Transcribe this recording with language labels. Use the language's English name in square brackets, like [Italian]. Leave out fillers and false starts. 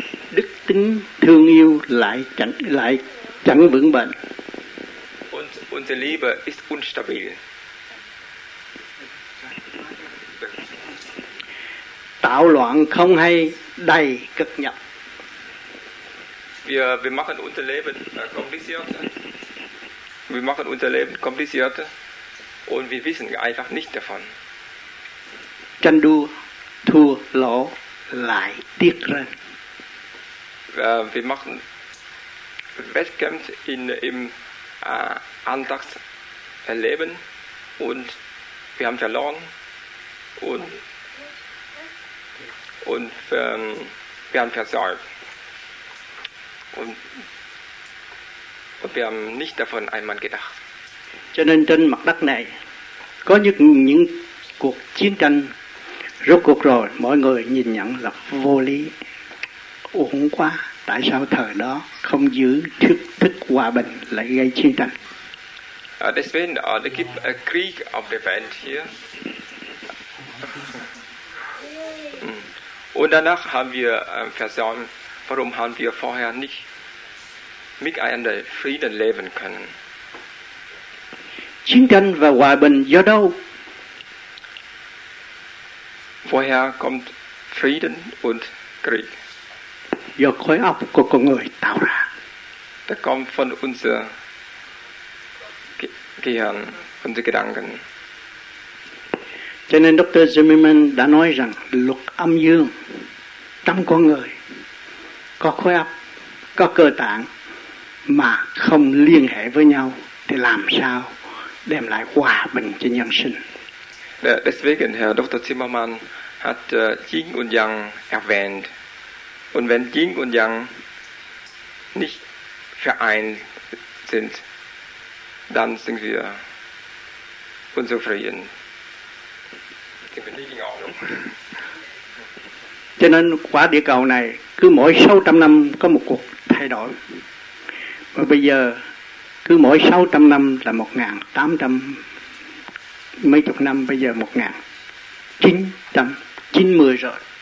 [Vietnamese] Đức tính thương yêu lại chẳng vững bền. [German] Und unsere Liebe ist unstabil. [Vietnamese] Tạo loạn không hay đầy cực nhập. [German] Wir machen unser Leben kompliziert. Wir machen unser Leben kompliziert und wir wissen einfach nicht davon. Tranh đua, thua lỗ lại tiếc rơi. Wir machen Wettkämpfe im Alltagsleben und wir haben verloren und wir haben versagt. Und wir haben nicht davon einmal gedacht. [Vietnamese] Cho nên trên mặt đất này có những cuộc chiến tranh, rốt cuộc rồi mọi người nhìn nhận là vô lý, uổng quá. Tại sao thời đó không giữ thức hòa bình lại gây chiến tranh? [German] Deswegen es gibt Krieg auf der Welt hier. Und danach haben wir versäumt. Warum haben wir vorher nicht miteinander Frieden leben können? [Vietnamese] Chiến tranh và hòa bình do đâu? [German] Woher kommt Frieden und Krieg? [Vietnamese] Do khối óc của con người tạo ra. [German] Das kommt von unserem Gehirn, unseren Gedanken. [Vietnamese] Cho nên Dr. Zimmerman đã nói rằng luật âm dương trong con người có khối óc, có cơ tạng mà không liên hệ với nhau thì làm sao đem lại hòa bình cho nhân sinh? [German] Deswegen Herr Dr. Zimmermann hat Yin und Yang erwähnt. Und wenn Yin und Yang nicht vereint sind, dann sind wir unzufrieden. Sind wir nicht in Ordnung? [Vietnamese] Cho nên quả địa cầu này cứ mỗi 600 năm có một cuộc thay đổi. Và bây giờ cứ mỗi 600 năm là 1800 mấy chục năm, bây giờ 1990 rồi.